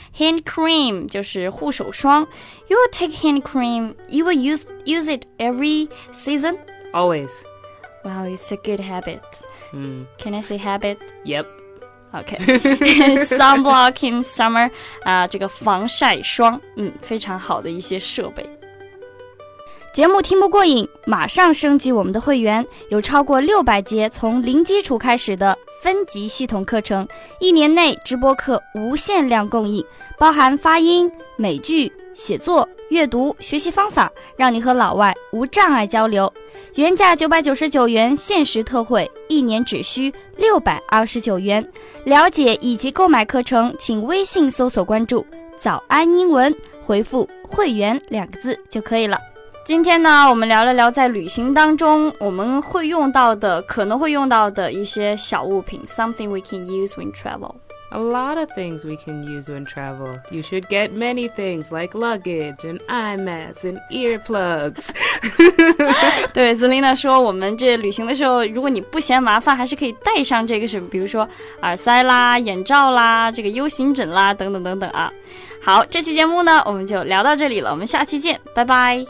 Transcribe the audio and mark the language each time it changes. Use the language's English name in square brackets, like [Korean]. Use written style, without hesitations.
[Chinese] Hand cream, 就是护手霜。 [English] You will take hand cream, you will use it every season? Always. Wow, it's a good habit. Can I say habit? Yep. Okay. Sunblock in summer. [Chinese] 这个防晒霜，非常好的一些设备。节目听不过瘾，马上升级我们的会员，有超过600节从零基础开始的分级系统课程，一年内直播课无限量供应，包含发音、美剧、写作、阅读、学习方法，让你和老外无障碍交流。原价999元，限时特惠，一年只需629元。了解以及购买课程，请微信搜索关注“早安英文”，回复“会员”两个字就可以了。今天呢，我们聊了聊在旅行当中我们会用到的，可能会用到的一些小物品 ， [English] something we can use when travel。 A lot of things we can use when travel. You should get many things like luggage and eye masks and earplugs. [Chinese] 对 ，Zelina 说我们这旅行的时候，如果你不嫌麻烦，还是可以带上这个什么，比如说耳塞啦、眼罩啦、这个 U 型枕啦等等等等啊。好，这期节目呢，我们就聊到这里了。我们下期见，拜拜，